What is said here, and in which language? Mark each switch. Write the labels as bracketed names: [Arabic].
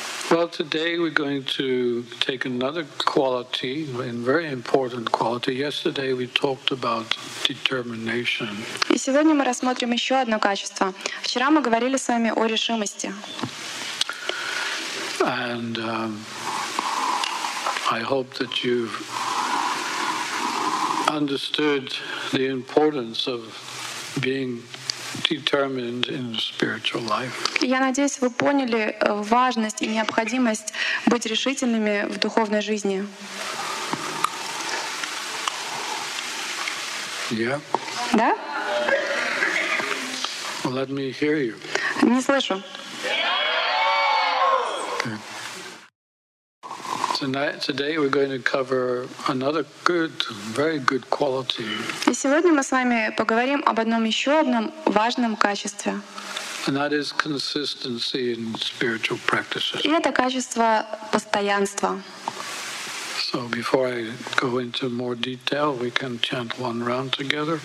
[English] Well, today we're going to take another quality, a very important quality. Yesterday we talked about determination. [Russian] И сегодня мы рассмотрим еще одно качество. Вчера мы говорили с вами о решимости. [English] And I hope that you've understood the importance of being determined in spiritual life. [Russian] Я надеюсь, вы поняли важность и необходимость быть решительными в духовной жизни. [English] Yeah. [Russian] Да? [English] Well, let me hear you. [Russian] Не слышу. [English] Today we're going to cover another good, very good quality. [Russian] И сегодня мы с вами поговорим об одном еще одном важном качестве. [English] And that is consistency in spiritual practices. [Russian] И это качество постоянства. [English] So before I go into more detail, we can chant one round together.